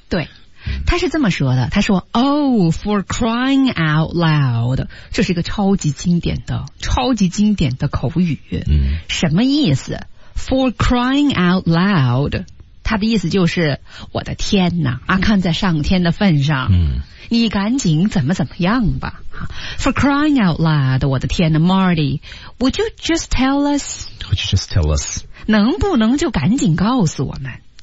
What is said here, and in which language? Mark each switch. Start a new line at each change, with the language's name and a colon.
Chinese: 对，他是这么说的，他说
English: Oh, for crying out loud.
Chinese: 这是一个超级经典的口语。嗯，什么意思？
English: For crying out loud.
Chinese: 他的意思就是我的天哪，啊，看在上天的份上，嗯，你赶紧怎么怎么样吧。
English: For crying out loud,
Chinese: 我的天哪
English: Marty, would you just tell us? Would you just tell us?
Chinese: 能不能就赶紧告诉我们？